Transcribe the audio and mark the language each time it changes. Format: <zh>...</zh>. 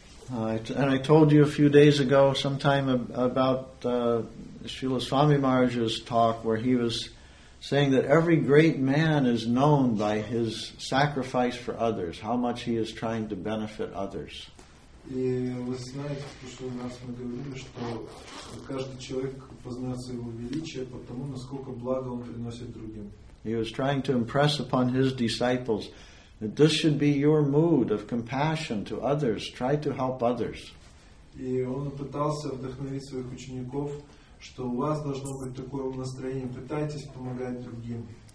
<en>And I told you a few days ago, sometime about Srila Swami Maharaj's talk, where he was saying that every great man is known by his sacrifice for others, how much he is trying to benefit others.</en> <ru>И вы знаете, что у нас мы говорили, что каждый человек познает своего величия по тому, насколько благо он приносит другим.</ru> <en>He was trying to impress upon his disciples that this should be your mood of compassion to others. Try to help others.</en> <ru>И он пытался вдохновить своих учеников, что у вас должно быть такое настроение. Пытайтесь помогать другим.</ru>